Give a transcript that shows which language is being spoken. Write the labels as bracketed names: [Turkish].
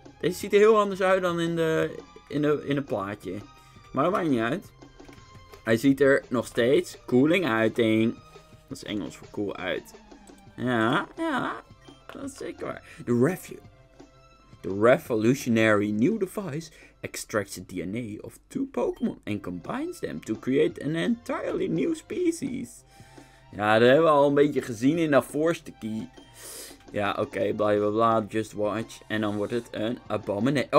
[Dutch] Deze ziet er heel anders uit dan in de plaatje. Maar dat maakt niet uit. Hij ziet er nog steeds cooling uit, Ing. Dat is Engels voor cool uit. Ja, ja. Dat is zeker waar. [English] The revolutionary new device extracts the DNA of two Pokémon and combines them to create an entirely new species. [Dutch] Ja, dat hebben we al een beetje gezien in dat voorste key. Ja, oké, okay, bla bla bla, [English] just watch. [Dutch] En dan wordt het een abominatie.